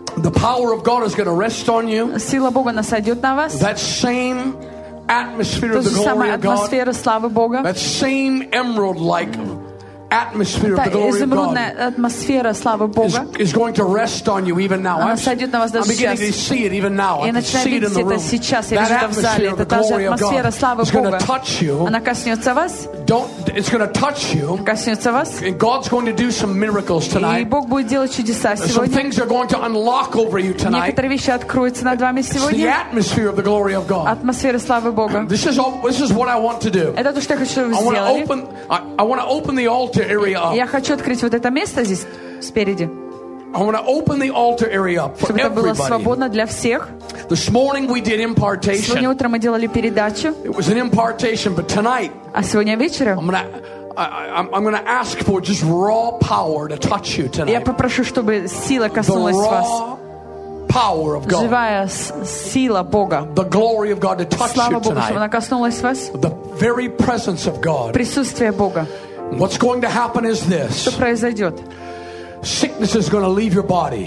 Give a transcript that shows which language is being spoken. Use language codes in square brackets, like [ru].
[en] The power of God is going to rest on you. [ru] Сила Бога насадит на вас. [en] That same atmosphere of the glory of God. [ru] Та же самая атмосфера славы Бога. [en] That same emerald-like atmosphere of the glory of God. [ru] Та изумрудная атмосфера славы Бога. [en] Is going to rest on you even now. [ru] Она насадит на вас даже сейчас. [en] I'm beginning to see it even now. [ru] Я начинаю видеть это сейчас. [en] That atmosphere of the glory of God. Is going to touch you. [ru] Она коснется вас. [en] Don't. It's going to touch you. [ru] Коснется вас. [en] And God's going to do some miracles tonight. [ru] И Бог будет делать чудеса сегодня. [en] Some things are going to unlock over you tonight. [ru] Некоторые вещи откроются над вами сегодня. [en] It's the atmosphere of the glory of God. [ru] Атмосфера славы Бога. [en] This is what I want to do. [ru] Это то, что я хочу, чтобы вы сделали. [en] I want to open the altar area up. [ru] Я хочу открыть вот это место здесь спереди. [en] I want to open the altar area up for [ru] Чтобы это было свободно для всех. [en] This morning we did impartation. [ru] Сегодня утром мы делали передачу. [en] It was an impartation, but tonight. [ru] А сегодня вечером. [en] I'm gonna ask for just raw power to touch you tonight. [ru] Я попрошу, чтобы сила коснулась вас. [en] Power of God. [ru] Живая сила Бога. [en] The glory of God to touch [ru] Слава [en] you [ru] Богу, [en] tonight. [ru] Чтобы она коснулась вас. [en] The very presence of God. [ru] Присутствие Бога. [en] What's going to happen is this. [ru] Что произойдет? [en] Sickness is going to leave your body.